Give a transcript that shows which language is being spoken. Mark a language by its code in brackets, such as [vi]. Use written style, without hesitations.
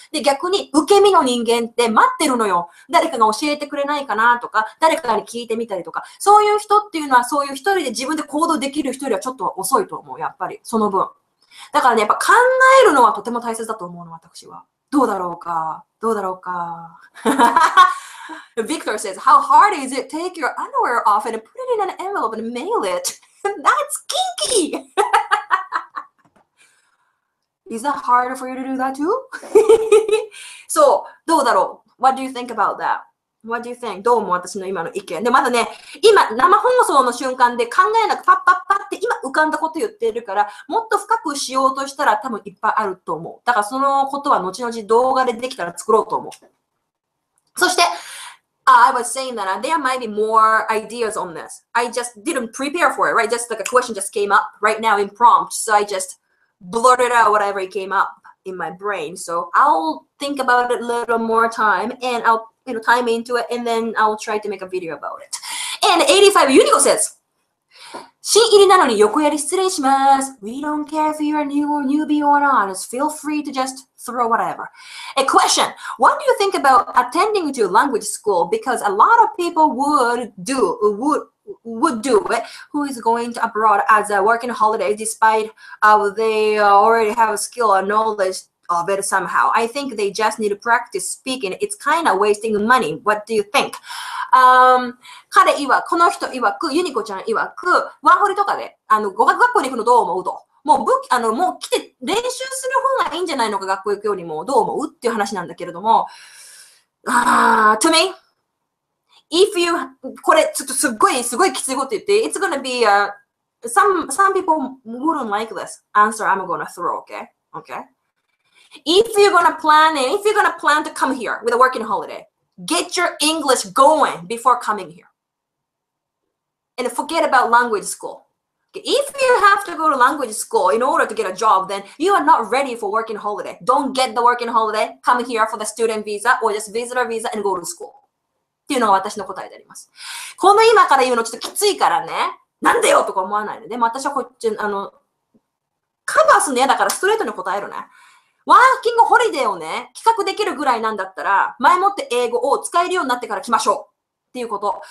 [ja] で、逆に受け身の人間って待ってるのよ。誰かが教えてくれないかなとか、誰かに聞いてみたりとか、そういう人っていうのはそういう一人で自分で行動できる人よりはちょっと遅いと思う、やっぱり。その分。だからね、やっぱ考えるのはとても大切だと思うの、私は。どうだろうか、どうだろうか。 [en] Victor says, how hard is it? Take your underwear off and put it in an envelope and mail it. That's kinky! Is that hard for you to do that too? So, [ja] どうだろう? [en] What do you think about that? What do you think? [ja] どうも私の今の意見。で、まだね、今生放送の瞬間で考えなくパッパッパって今浮かんだこと言ってるから、もっと深くしようとしたら多分いっぱいあると思う。だからそのことは後々動画でできたら作ろうと思う。そして、 [en] I was saying that there might be more ideas on this. I just didn't prepare for it, right? Just like a question just came up right now in prompt. So I just blurted out whatever came up in my brain. So I'll think about it a little more time and I'll you know, time into it, and then I will try to make a video about it. And 85 Unico says, [ja] 新入りなのに横やり失礼します。 [en] We don't care if you're new or newbie or not. Just feel free to just throw whatever. A question. What do you think about attending to language school? Because a lot of people would do it who is going to abroad as a working holiday despite they already have a skill or knowledge of it somehow. I think they just need to practice speaking. It's kind of wasting money. What do you think? [ja] 彼いわく、この人いわく、ユニコちゃんいわく、ワーホリとかで、語学学校に行くのどう思うと。もう、もう来て練習する方がいいんじゃないのか、学校行くよりもどう思うっていう話なんだけれども。 [en] To me, if you, [ja] これ、ちょっとすっごい、すごいきついこと言って、 [en] It's gonna be, some people wouldn't like this answer I'm gonna throw, okay? Okay? If you're gonna plan to come here with a working holiday,Get your English going before coming here. And forget about language school. If you have to go to language school in order to get a job, then you are not ready for working holiday. Don't get the working holiday. Come here for the student visa or just visitor visa and go to school. [ja] っていうのが私の答えであります。この今から言うのちょっときついからね。なんでよとか思わないで。でも私はこっち、カバーするの嫌だからストレートに答えるね。ワーキングホリデーをね、企画できるぐらいなんだったら、前もって英語を使えるようになってから来ましょうっていうこと。